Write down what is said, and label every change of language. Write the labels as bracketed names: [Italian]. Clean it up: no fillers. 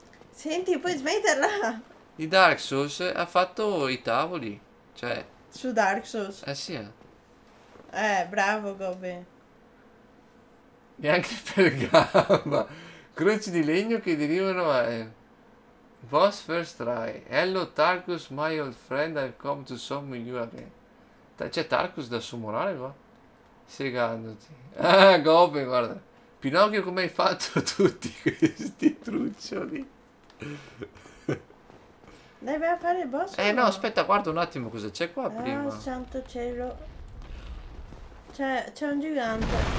[Italian] Senti, puoi smetterla! Di Dark Souls ha fatto i tavoli, cioè... Su Dark Souls? Sì. Bravo, Gobe. E anche per gamba. Croci di legno che derivano a... [English] Boss first try. Hello Tarkus, my old friend, I've come to summon you again. [Italian] C'è Tarkus da summonare qua? Segandoti. Ah, Gobe, guarda. Pinocchio, come hai fatto tutti questi truccioli? Deve fare il boss. No, aspetta, guarda un attimo cosa c'è qua prima. Oh, santo cielo. C'è un gigante.